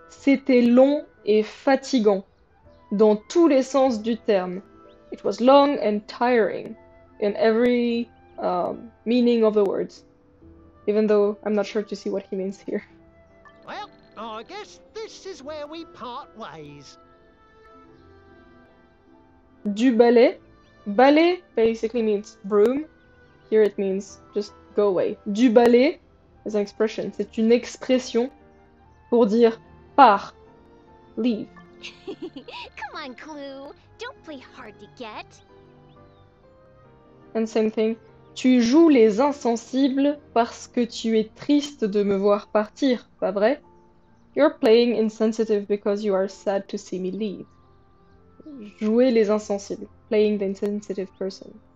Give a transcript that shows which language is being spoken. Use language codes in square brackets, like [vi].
[fr] C'était long et fatigant, dans tous les sens du terme. [en] It was long and tiring, in every meaning of the words. Even though I'm not sure to see what he means here. Well, I guess this is where we part ways. [fr] Du balai. [en] Balai basically means broom. Here it means just go away. [fr] Du balai [en] is an expression. [fr] C'est une expression pour dire part. Leave. [en] Come on, Clou. Don't play hard to get. And same thing. [fr] Tu joues les insensibles parce que tu es triste de me voir partir, pas vrai? [en] You're playing insensitive because you are sad to see me leave. [fr] Jouer les insensibles. [en] Playing the insensitive person.